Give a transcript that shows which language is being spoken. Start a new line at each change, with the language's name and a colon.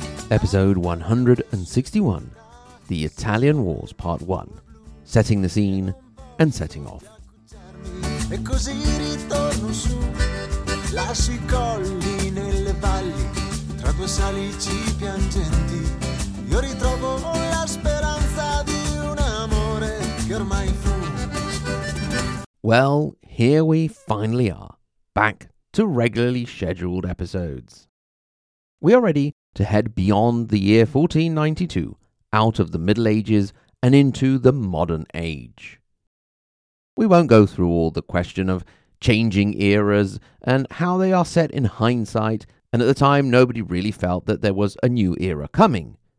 English: Episode 161, The Italian Wars, Part 1, Setting the Scene and Setting Off.
Italian: E così ritorno su, lascio i colli nelle valli, tra due salici piangenti, io ritrovo la speranza di un amore che ormai fu.
English: Well, here we finally are, back to regularly scheduled episodes. We are ready to head beyond the year 1492, out of the Middle Ages and into the modern age. We won't go through all the question of changing eras and how they are set in hindsight, and at the time nobody really felt that there was a new era coming.